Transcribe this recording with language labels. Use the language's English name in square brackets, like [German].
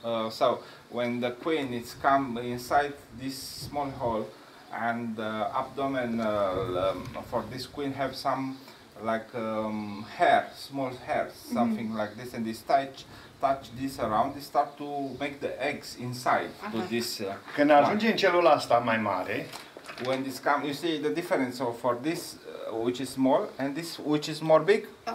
[English] So when the queen is come inside this small hole and the abdomen for this queen have some like hair, small hairs, something like this, and this touch this around, they start to make the eggs inside to this. [Romanian] Când ajunge în celula asta mai mare, [English] when this come, you see the difference of for this which is small and this which is more big.